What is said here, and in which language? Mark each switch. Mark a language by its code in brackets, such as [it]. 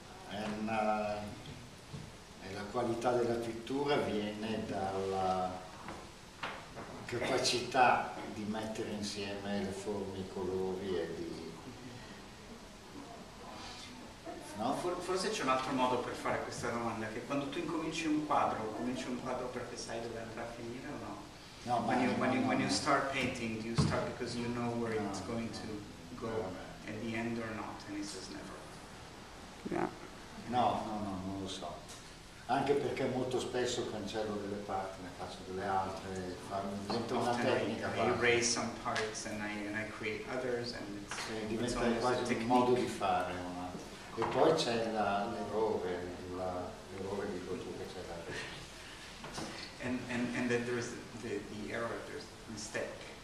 [it] E la qualità della pittura viene dalla capacità di mettere insieme le forme, i colori e di. No? Forse c'è un altro modo per fare questa domanda, che quando tu incominci un quadro, cominci un quadro perché sai dove andrà a finire o no? No, [en] when you start painting, do you start because you know where it's going to go at the end or not? And he says never. Yeah. [it] No, non lo so. Anche perché molto spesso cancello delle parti, ne faccio delle altre, diventa una tecnica. [en] I erase some parts and I create others and it's [it] diventa quasi un modo di fare. E poi c'è l'errore di cottura che c'è da fare. [en] And then there is the error, there's the mistake.